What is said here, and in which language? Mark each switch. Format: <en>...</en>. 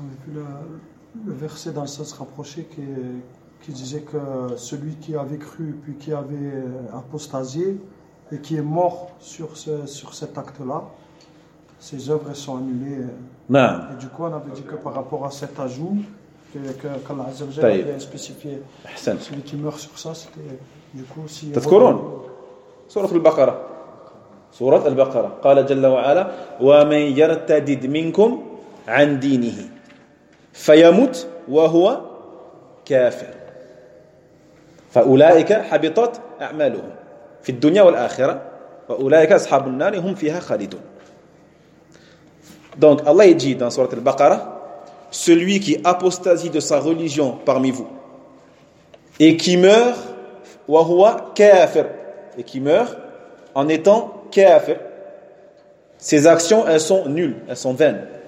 <fr>On a vu le verset dans le sens rapproché qui disait que celui qui avait cru puis qui avait apostasié et qui est mort sur cet acte-là, ses œuvres sont annulées. Non. Et du coup, on avait dit que par rapport à cet ajout, que qu'Allah Azza wa Jalla avait spécifié, celui qui meurt sur ça, c'était du coup aussi. Tadhkurun Sourate Al-Baqara. Surat Al-Baqara.</fr> <ar>قال جل وعلا ومن يرتد منكم عن دينه فيموت وهو كافر فأولئك حبطت أعمالهم في الدنيا والآخرة وأولئك أصحاب النار هم فيها خالدون.</ar> <fr>Donc Allah dit dans Surat Al-Baqara, celui qui apostasie de sa religion parmi vous et qui meurt</fr> <ar>وهو كافر,</ar> <fr>et qui meurt en étant kafir, ses actions, elles sont nulles, elles sont vaines.</fr>